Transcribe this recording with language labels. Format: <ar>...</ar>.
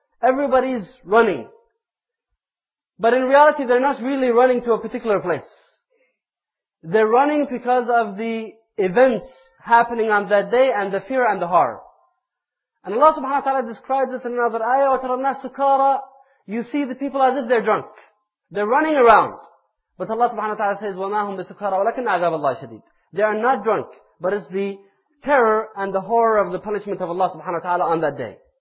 <en>Everybody's running. But in reality, they're not really running to a particular place. They're running because of the events happening on that day and the fear and the horror. And Allah subhanahu wa ta'ala describes this in another ayah,</en> <ar>وَتَرَى النَّاسَ سُكَارَى.</ar> <en>You see the people as if they're drunk. They're running around. But Allah subhanahu wa ta'ala says,</en> <ar>وَمَا هُمْ بِسُكَارَى وَلَكِنَّ عَذَابَ اللَّهِ شَدِيدٌ.</ar> <en>They are not drunk, but it's the terror and the horror of the punishment of Allah subhanahu wa ta'ala on that day.</en>